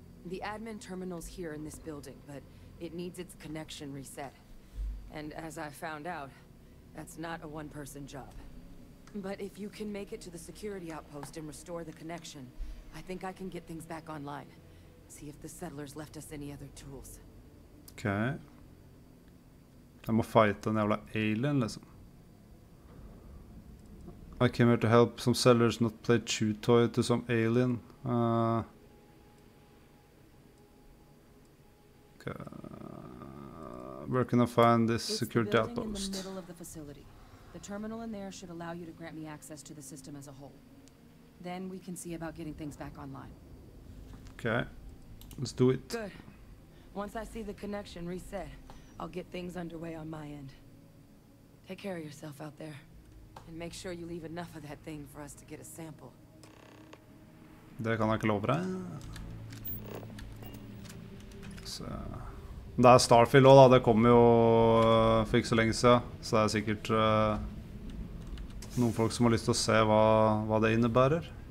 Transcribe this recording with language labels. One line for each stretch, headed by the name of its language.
English: The admin terminal's here in this building, but it needs its connection reset. And as I found out, that's not a one-person job. But if you can make it to the security outpost and restore the connection, I think I can get things back online. See if the settlers left us any other tools. Okay.
Norwegian: Jeg må fighte en jævla alien, liksom.
English: I came here to help some settlers not play chew toy to some alien. Okay. Where can I find this security outpost? It's the middle of the facility. The terminal in there should allow you to grant me access to the system as a whole. Then we can see about getting things back online. Okay. Let's do it. Good. Once I see the connection reset, I'll get things underway on my end. Take care of yourself out there. And make sure you leave enough of that thing for us to get a sample.
Norwegian: Det kan jeg ikke love deg. Så... Det er Starfield også da, det kom jo for ikke så lenge siden, så det sikkert noen folk som har lyst til å se hva det innebærer.